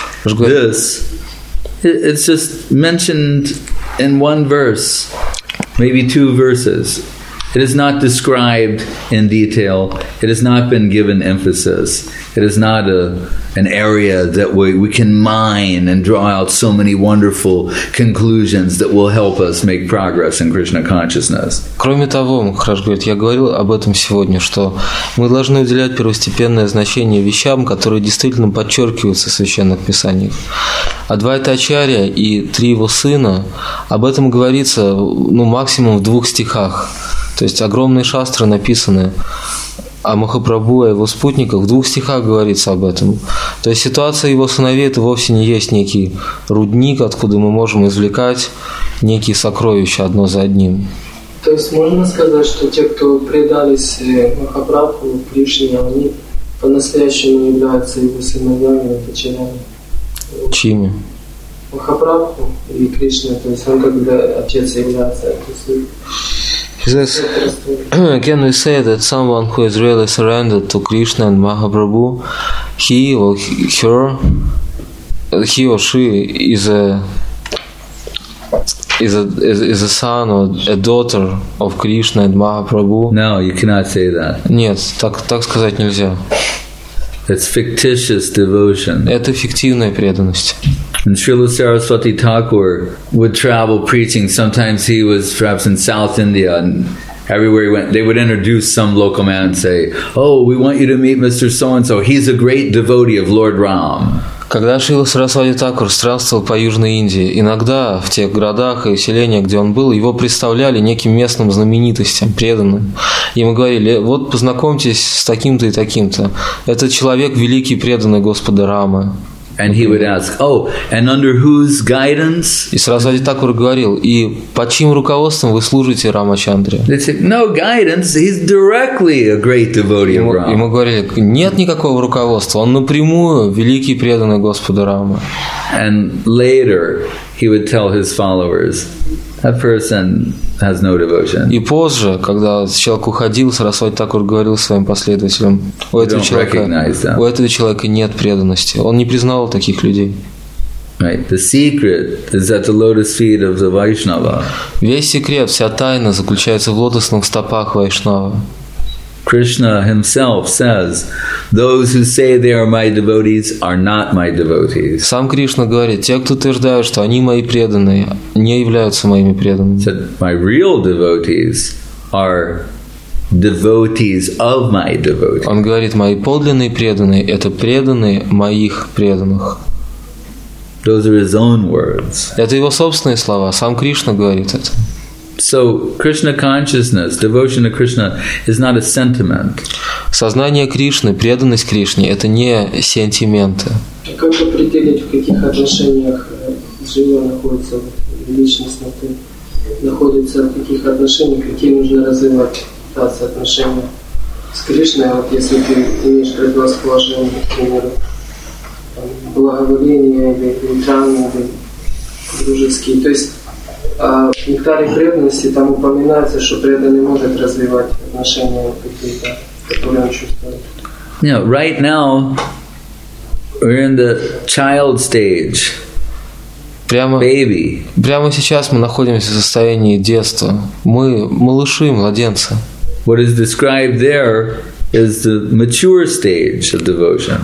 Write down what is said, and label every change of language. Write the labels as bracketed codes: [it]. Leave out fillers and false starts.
[en] This, it's just mentioned in one verse, maybe two verses. It is not described in detail. It has not been given emphasis. It is not an area that we can mine and draw out so many wonderful conclusions that will help us make progress in Krishna consciousness. [ru] Кроме того, Махарадж говорит, я говорил об этом сегодня, что мы должны уделять первостепенное значение вещам, которые действительно подчеркиваются в священных писаниях. Адвайта Ачарья и три его сына, об этом говорится, ну, максимум в двух стихах. То есть огромные шастры написаны о Махапрабху и его спутниках. В двух стихах говорится об этом. То есть ситуация его сыновей – это вовсе не есть некий рудник, откуда мы можем извлекать некие сокровища одно за одним. То есть можно сказать, что те, кто предались Махапрабху, Кришне, они по-настоящему являются его сыновьями и дочерями? Чьими? Махапрабху и Кришне. То есть он как бы отец является. То есть... [en] He says, can we say that someone who is really surrendered to Krishna and Mahaprabhu, he or she is a son or a daughter of Krishna and Mahaprabhu? No, you cannot say that. [ru] Нет, так сказать нельзя. [en] It's fictitious devotion. [ru] Это фиктивная преданность. [en] And Srila Saraswati Thakur would travel preaching. Sometimes he was perhaps in South India, and everywhere he went, they would introduce some local man and say, "Oh, we want you to meet Mr. So and so. He's a great devotee of Lord Ram." [ru] Когда Шрила Сарасвати Такур странствовал по Южной Индии, иногда в тех городах и селениях, где он был, его представляли неким местным знаменитостям, преданным. Ему говорили, вот познакомьтесь с таким-то и таким-то. Этот человек – великий преданный Господа Рамы. [en] And he would ask, "Oh, and under whose guidance?" [ru] И Сарасвати Такур говорил, и под чьим руководством вы служите Рамачандре? [en] They said, "No guidance. He's directly a great devotee of Rama." [ru] Ему говорили, нет никакого руководства. Он напрямую великий преданный Господу Рама. [en] And later, he would tell his followers, "That person has no devotion." [ru] И позже, когда человек уходил, Сарасвати Такур говорил своим последователям, у этого человека нет преданности. Он не признавал таких людей. [en] Right. The secret is at the lotus feet of the Vaishnava. [ru] Весь секрет, вся тайна заключается в лотосных стопах Вайшнава. [en] Krishna himself says, "Those who say they are my devotees are not my devotees." [ru] Сам Кришна говорит, те, кто утверждают, что они мои преданные, не являются моими преданными. [en] Said, "My real devotees are devotees of my devotees." [ru] Он говорит, мои подлинные преданные – это преданные моих преданных. [en] Those are his own words. [ru] Это его собственные слова. Сам Кришна говорит это. [en] So, Krishna consciousness, devotion to Krishna, is not a sentiment. [ru] Сознание Кришны, преданность Кришне, это не сентименты. Как определить, в каких отношениях жива находится личность, находится в каких отношениях, какие нужно развивать отношения с Кришной, вот если ты имеешь предрасположение, например, благоволение или утрамление, дружеские. То есть в нектаре преданности там упоминается, что преданный может развивать отношения какие-то, которые он чувствует. [en] You know, right now we're in the child stage. [ru] Прямо, [en] baby. [ru] Прямо сейчас мы находимся в состоянии детства. Мы малыши, младенцы. [en] What is described there is the mature stage of devotion.